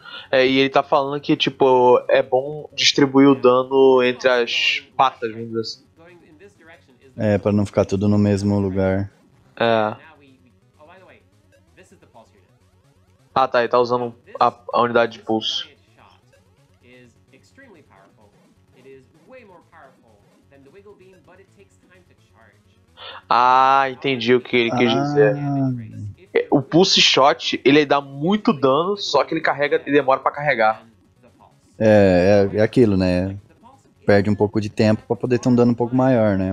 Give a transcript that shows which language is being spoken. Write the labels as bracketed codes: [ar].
[pt] É, e ele tá falando que, tipo, é bom distribuir o dano entre as patas, vamos dizer assim. É, pra não ficar tudo no mesmo lugar. É. [en] Oh, by the way, this is the pulse unit. [pt] Ah, tá, ele tá usando [en] Now, [pt] a unidade de pulso. [en] giant shot is extremely powerful. It is way more powerful than the wiggle beam, but it takes time to charge. [pt] Ah, entendi o que ele quis dizer. Ah. O Pulse Shot, ele dá muito dano, só que ele carrega e demora pra carregar. É aquilo, né? Perde um pouco de tempo pra poder ter um dano um pouco maior, né?